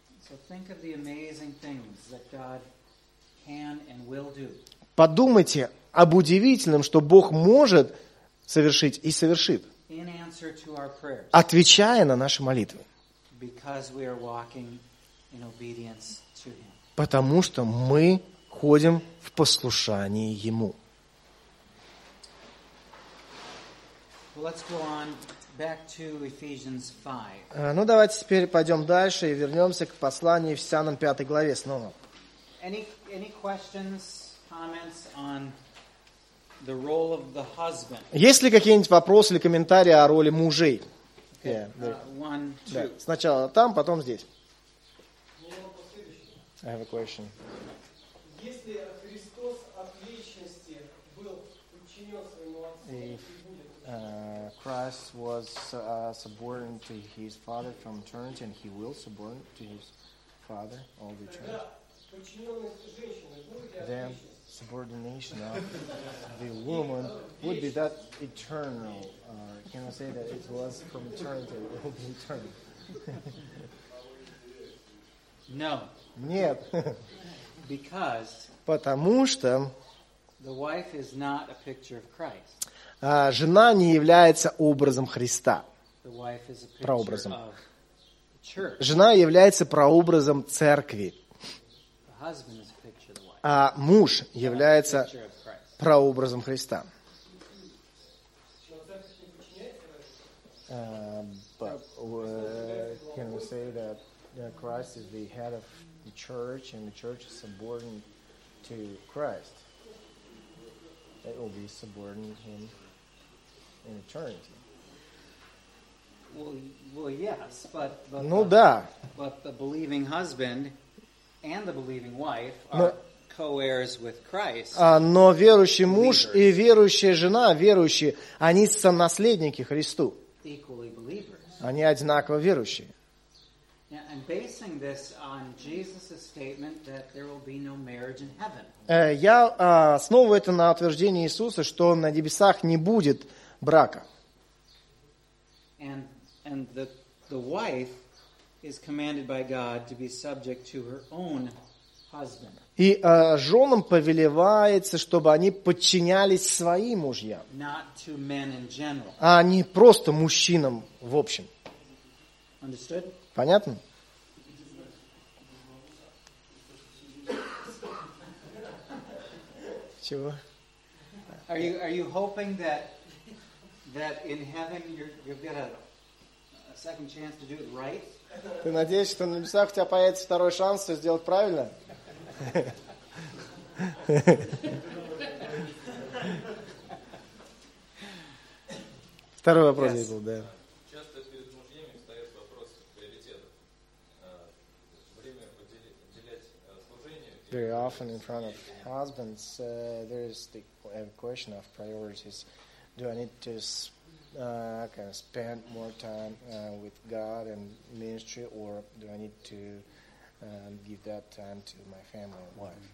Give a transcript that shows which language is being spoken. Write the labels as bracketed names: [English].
[English] So think of the amazing things that God can and will do. [Russian] Подумайте об удивительном, что Бог может совершить и совершит. [English] In answer to our prayers. [Russian] Отвечая на наши молитвы. [English] Because we are walking in obedience to Him. [Russian] Потому что мы ходим в послушании Ему. [English] Well, let's go on back to Ephesians 5. [Russian] Ну, давайте теперь пойдем дальше и вернемся к посланию Ефесянам 5 главе снова. [English] Any questions, comments on the role of the husband. [Russian] Есть ли какие-нибудь вопросы или комментарии о роли мужей? [English] Okay. Yeah. One, two. Yeah. [Russian] Сначала там, потом здесь. [English] I have a question. [Russian] Если Христос от вечности был подчинен своему отцу, [English] Christ was subordinate to his father from eternity, and he will subordinate to his father all the eternity. [Russian] Тогда подчиненность женщины будет от вечности. [English] Subordination of the woman would be that eternal. Can I say that it was from eternity? It will be eternal. No. [Russian] Нет. [English] Because. [Russian] Потому что. [English] The wife is not a picture of Christ. [Russian] Жена не является образом Христа. [English] The wife is a picture [Russian] прообразом. [English] Of the church. [Russian] Жена является прообразом церкви. [English] The husband is. [Russian] А муж является прообразом Христа. [English] Can we say that Christ is the head of the church and the church is subordinate to Christ? It will be subordinate to him in eternity. Well, yes, but [Russian] ну да. [English] But the believing husband and the believing wife are co-heirs with Christ. [Russian] Но верующий муж и верующая жена, верующие, они сонаследники Христу. [English] Equally believers. [Russian] Они одинаково верующие. [English] Now, I'm basing this on Jesus' statement that there will be no marriage in heaven. [Russian] Я основываю это на утверждении Иисуса, что на небесах не будет брака. [English] And the wife is commanded by God to be subject to her own husband. [Russian] И женам повелевается, чтобы они подчинялись своим мужьям. [English] Not to men in general. [Russian] А не просто мужчинам в общем. [English] Understood? [Russian] Понятно? Чего? [English] Are you hoping that in heaven you'll get a second chance to do it right? [Russian] Ты надеешься, что на небесах у тебя появится второй шанс все сделать правильно? Второй вопрос был, да. Часто перед мужьями встает вопрос приоритетов. Время уделять служению. [English] Very often in front of husbands, there is the question of priorities. Do I need to kind of spend more time with God and ministry, or do I need to give that time to my family and wife?